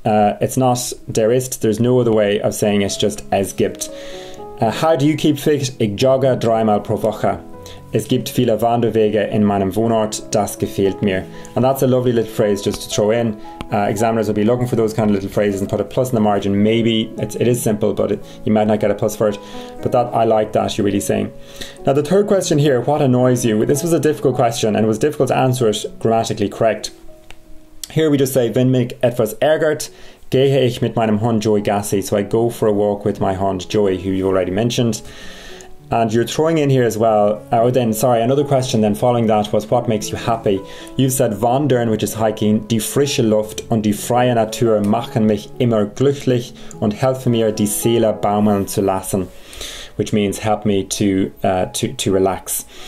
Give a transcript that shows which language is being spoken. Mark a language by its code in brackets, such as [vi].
[en] It's not der ist. There's no other way of saying it's just es gibt. How do you keep fit? [de] Ich jogge dreimal pro Woche. Es gibt viele Wanderwege in meinem Wohnort, das gefällt mir. [en] And that's a lovely little phrase just to throw in. Examiners will be looking for those kind of little phrases and put a plus in the margin. Maybe it is simple, but you might not get a plus for it. But that, I like that, you're really saying. Now the third question here, what annoys you? This was a difficult question and it was difficult to answer it grammatically correct. Here we just say, [de] wenn mich etwas ärgert, gehe ich mit meinem Hund Joey Gassi. [en] So I go for a walk with my Hund Joey, who you already mentioned. And you're throwing in here as well, another question then following that was, what makes you happy? You've said [de] wandern, [en] which is hiking, [de] die frische Luft und die freie Natur machen mich immer glücklich und helfen mir die Seele baumeln zu lassen, [en] which means help me to relax.